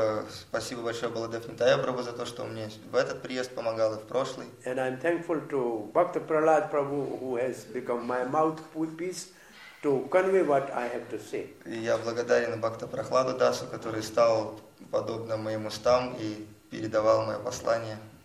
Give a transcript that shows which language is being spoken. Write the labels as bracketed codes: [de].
[ru] Спасибо большое Baldev Nitai Prabhu за то, что мне в этот приезд помогал и в прошлый. [en] And I'm thankful to Bhakta Prahlad Prabhu who has become my mouthpiece to convey what I have to say. [ru] Я благодарен Бхакта Прахладу Дасу, который стал подобно моим устам и передавал мое послание.